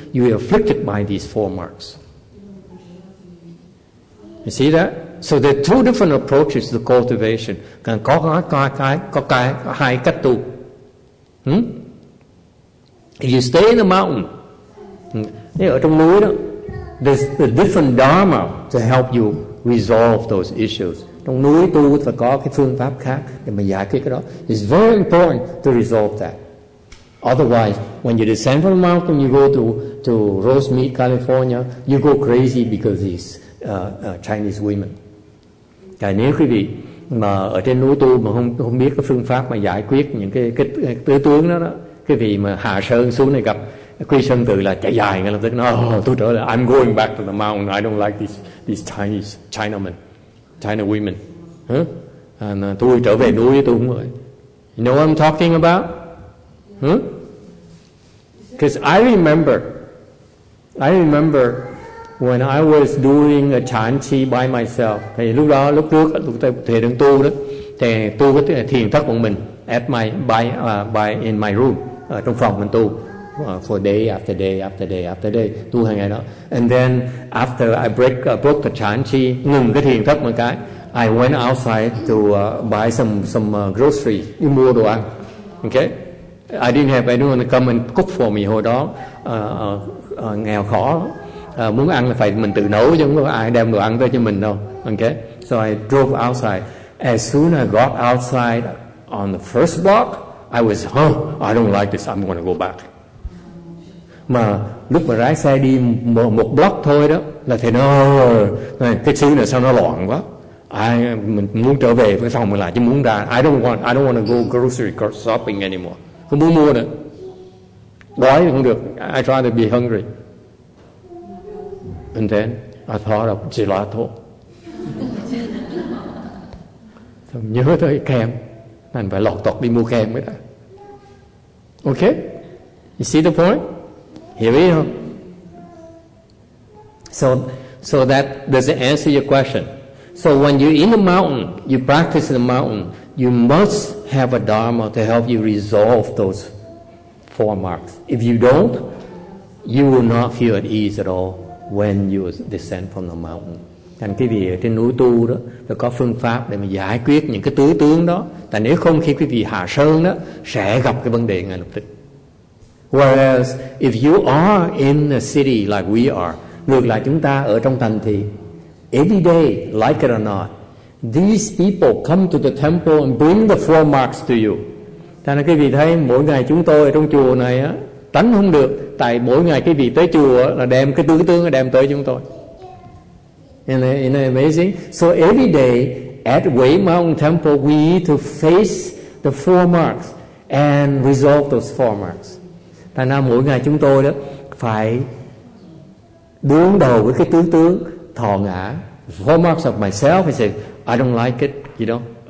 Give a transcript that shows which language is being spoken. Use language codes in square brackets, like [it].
[en] You are afflicted by these four marks. You see that? So there are two different approaches to cultivation. [vi] Có hai cách tu. [en] If you stay in the mountain, [vi] ở trong núi đó, [en] there's a different dharma to help you resolve those issues. [vi] Trong núi tu phải có cái phương pháp khác để mà giải quyết cái đó. [en] It's very important to resolve that. Otherwise, when you descend from the mountain, you go to Rosemead, California, you go crazy because it's Chinese women. [vi] Tại nếu quý vị mà ở trên núi tu mà không biết cái phương pháp mà giải quyết những cái tứ tướng đó, cái vị mà hạ sơn xuống này gặp Quy Sơn Tự là chạy dài ngay lập tức, tôi trở lại, [en] I'm going back to the mountain, I don't like these Chinese Chinamen, China women, huh? [vi] And tôi trở về núi với tôi không rồi. [en] You know what I'm talking about? Because I remember when I was doing a chan chi by myself, [vi] thì lúc trước tôi thiền đứng tu đó, thì tôi có thiền thất một mình [en] at my by in my room. [vi] Ở trong phòng mình tu, [en] for day after day after day after day, [vi] tu hàng ngày đó. [en] And then after I broke the chan chi, [vi] ngừng cái thiền thất một cái, [en] I went outside to buy some grocery, [vi] đi mua đồ ăn. [en] Okay, I didn't have anyone to come and cook for me. [vi] Hồi đó nghèo khó, muốn ăn là phải mình tự nấu chứ không có ai đem đồ ăn tới cho mình đâu. [en] Okay, so I drove outside. As soon as I got outside on the first block, I was, huh, I don't like this, I'm going to go back. [vi] Mà lúc mà lái xe đi một block thôi đó, là thầy nói, cái xứ này sao nó loạn quá. Mình muốn trở về với phòng mình lại, chứ muốn ra. [en] I don't want to go grocery shopping anymore. [vi] Không muốn mua nữa. Đói không được. [en] I try to be hungry. And then I thought of gelato. [vi] Nhớ tới kem, nên phải lọt tọt đi mua kem mới đã. [en] Ok, you see the point? [vi] Hiểu ý không? [en] So that does it answer your question? So when you're in the mountain, you practice in the mountain, you must have a dharma to help you resolve those four marks. If you don't, you will not feel at ease at all when you descend from the mountain. [vi] Thành quý vị ở trên núi tu đó, nó có phương pháp để mà giải quyết những cái tứ tướng đó. Tại nếu không, khi quý vị hạ sơn đó, sẽ gặp cái vấn đề ngay lập tức. [en] Whereas, if you are in the city like we are, [vi] ngược lại chúng ta ở trong thành thì, [en] every day, like it or not, these people come to the temple and bring the four marks to you. [vi] Thành quý vị thấy mỗi ngày chúng tôi ở trong chùa này á, tránh không được. Tại mỗi ngày quý vị tới chùa là đem cái tứ tướng đem tới chúng tôi. [en] Isn't that amazing? So every day at Wei Mountain Temple, we need to face the four marks and resolve those four marks. [vi] Tại nào mỗi ngày chúng tôi đó phải đương đầu với cái tướng thọ ngã, [en] four marks of myself. I say, I don't like it, you know.